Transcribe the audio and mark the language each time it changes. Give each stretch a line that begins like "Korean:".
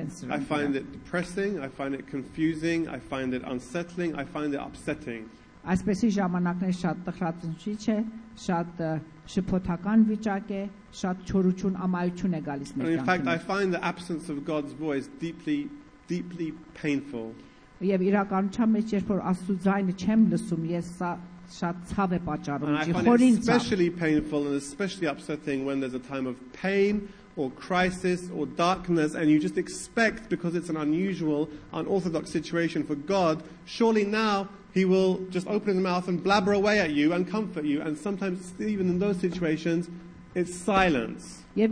English: I find it depressing, I find it confusing, I find it unsettling, I find it upsetting.
Armenian: Այսպեսի ժամանակներ շատ տխրածնչիչ է, շատ շփոթական վիճակ է, շատ չորություն, ամայություն է գալիս մեր կյանքին։
English: In fact, I find the absence of God's voice deeply, deeply painful.
Armenian: Եվ իրականության մեջ, երբ որ Աստծո ձայնը չեմ լսում, ես սա շատ ցավ է պատճառում, ջխորին ցավ։
English: Especially painful and especially upsetting when there's a time of pain or crisis or darkness and you just expect, because it's an unusual, unorthodox situation for God, surely now He will just open his mouth and blabber away at you and comfort you. And sometimes, even in those situations, it's silence.